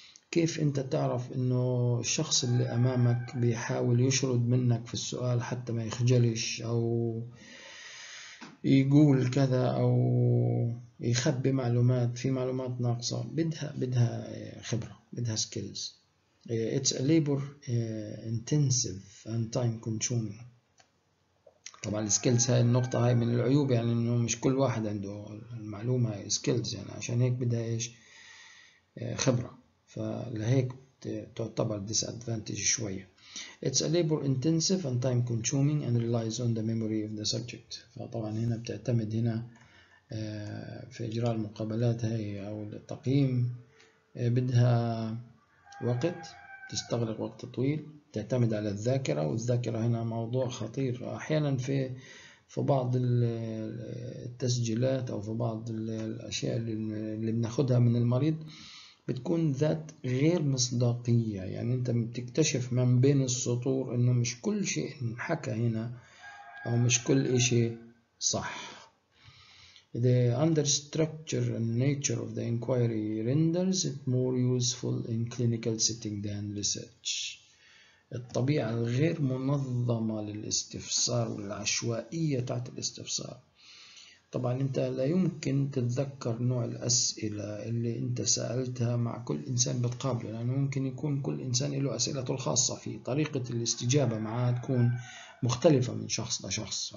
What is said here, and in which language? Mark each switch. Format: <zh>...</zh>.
<ar>كيف أنت تعرف إنه الشخص اللي أمامك بيحاول يشرد منك في السؤال حتى ما يخجلش أو يقول كذا أو يخبي معلومات، في معلومات ناقصة؟ بدها خبرة، بدها سكيلز.</ar> <en>It's a labor intensive and time consuming.</en> <ar>طبعا السكيلز هاي النقطة هاي من العيوب، يعني إنه مش كل واحد عنده المعلومة هاي سكيلز، يعني عشان هيك بدها إيش؟ خبرة. فلهيك تعتبر disadvantage شوية.</ar> <en>It's a labor intensive and time consuming and relies on the memory of the subject.</en> <ar>فطبعا هنا بتعتمد هنا في إجراء المقابلات هاي أو التقييم بدها وقت، تستغرق وقت طويل، تعتمد على الذاكرة، والذاكرة هنا موضوع خطير. أحيانا في بعض التسجيلات أو في بعض الأشياء اللي بناخدها من المريض بتكون ذات غير مصداقية، يعني انت بتكتشف من بين السطور انه مش كل شيء انحكى هنا او مش كل اشي صح.</ar> <en>The understructure and nature of the inquiry renders it more useful in clinical setting than research.</en> <ar>الطبيعة الغير منظمة للاستفسار والعشوائية تحت الاستفسار. طبعا انت لا يمكن تتذكر نوع الأسئلة اللي انت سألتها مع كل انسان بتقابله، لأنه يعني ممكن يكون كل انسان له أسئلته الخاصة فيه، طريقة الاستجابة معاه تكون مختلفة من شخص لشخص.</ar>